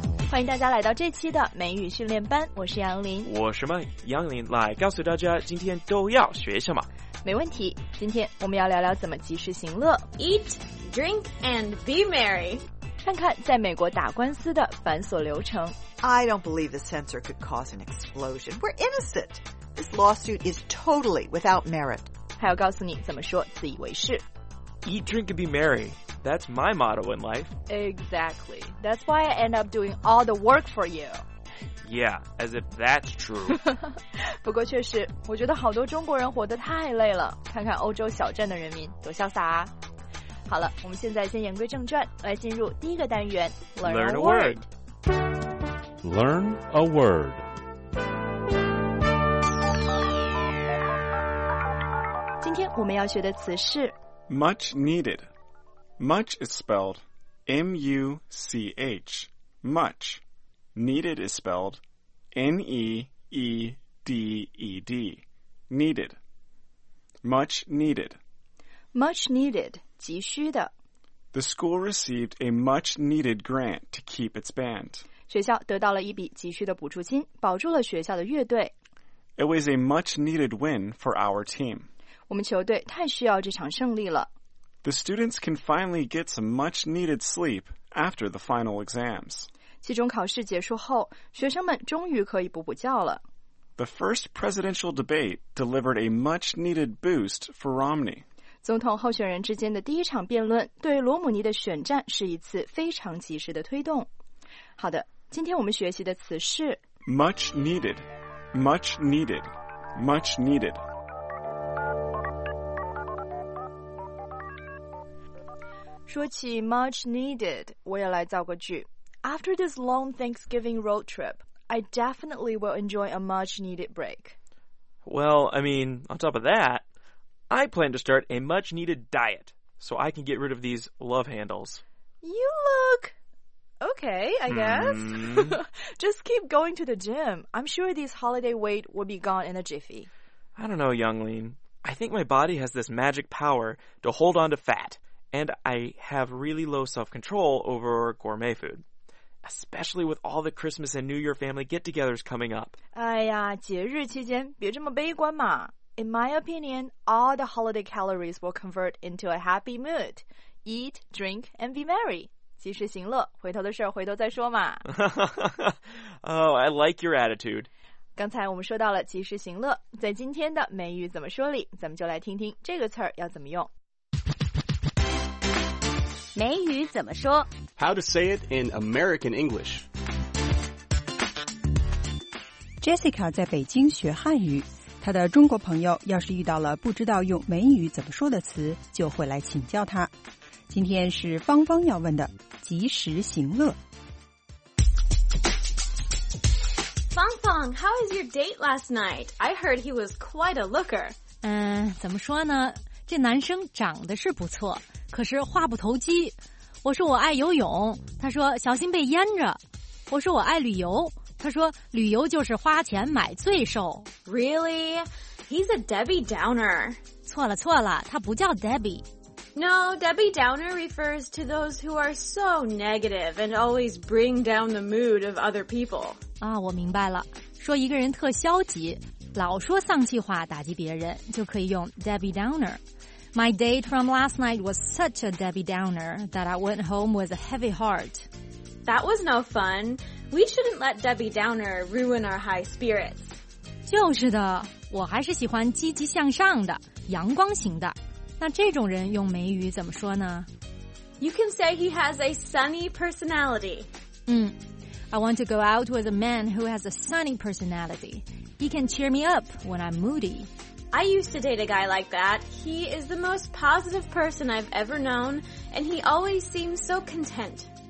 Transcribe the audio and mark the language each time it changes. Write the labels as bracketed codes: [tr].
[zh] 欢迎大家来到这期的美语训练班，我是杨林。我是麦杨林，来告诉大家今天都要学什么。没问题，今天我们要聊聊怎么及时行乐。 [en] Eat, drink and be merry。 [zh] 看看在美国打官司的繁琐流程。 [en] I don't believe the censor could cause an explosion. We're innocent. This lawsuit is totally without merit. [zh] 还要告诉你怎么说自以为是。 [en] Eat, drink, and be merry. That's my motto in life. Exactly. That's why I end up doing all the work for you. Yeah, as if that's true. [zh] 不过确实，我觉得好多中国人活得太累了。看看欧洲小镇的人民多潇洒啊。好了，我们现在先言归正传，来进入第一个单元 [en] Learn a word. Learn a word. [zh] 今天我们要学的词是 [en] Much needed. Much is spelled M-U-C-H. Much. Needed is spelled N-E-E-D-E-D. Needed. Much needed. Much needed. [zh] 急需的。 [en] The school received a much-needed grant to keep its band. [zh] 学校得到了一笔急需的补助金，保住了学校的乐队。 [en] It was a much-needed win for our team. [zh] 我们球队太需要这场胜利了。 [en] The students can finally get some much-needed sleep after the final exams. [zh] 期中考试结束后，学生们终于可以补补觉了。 [en] The first presidential debate delivered a much-needed boost for Romney. [zh] 总统候选人之间的第一场辩论对罗姆尼的选战是一次非常及时的推动。好的，今天我们学习的词是 [en] Much needed, much needed, much needed. needed. [zh] 说起 much needed, 我也来造个句。 [en] After this long Thanksgiving road trip, I definitely will enjoy a much needed break. Well, I mean, on top of that,I plan to start a much-needed diet, so I can get rid of these love handles. You look okay, I guess. Just keep going to the gym. I'm sure these holiday weight will be gone in a jiffy. I don't know, Younglin. I think my body has this magic power to hold on to fat, and I have really low self-control over gourmet food. Especially with all the Christmas and New Year family get-togethers coming up. [zh] 哎呀，节日期间别这么悲观嘛。 [en] In my opinion, all the holiday calories will convert into a happy mood. Eat, drink, and be merry. [zh] 及时行乐，回头的事儿回头再说嘛。 [en] Oh, I like your attitude. [zh] 刚才我们说到了及时行乐，在今天的美语怎么说里，咱们就来听听这个词儿要怎么用。美语怎么说？ [en] How to say it in American English. [zh] Jessica 在北京学汉语，她的中国朋友要是遇到了不知道用美语怎么说的词，就会来请教她。今天是芳芳要问的，及时行乐。 [en] 芳芳 how is your date last night? I heard he was quite a looker. [zh] 怎么说呢？这男生长得是不错，可是话不投机。我说我爱游泳，他说小心被淹着。我说我爱旅游，他说旅游就是花钱买罪受。 [en] Really? He's a Debbie Downer. [zh] 错了错了，他不叫 Debbie. [en] No, Debbie Downer refers to those who are so negative and always bring down the mood of other people. [zh] 啊，我明白了，说一个人特消极，老说丧气话打击别人，就可以用 Debbie Downer. [en] My date from last night was such a Debbie Downer that I went home with a heavy heart. That was no fun. We shouldn't let Debbie Downer ruin our high spirits. [zh] 就是的，我还是喜欢积极向上的，阳光型的。那这种人用美语怎么说呢？ [en] You can say he has a sunny personality. I want to go out with a man who has a sunny personality. He can cheer me up when I'm moody. I used to date a guy like that. He is the most positive person I've ever known, and he always seems so content.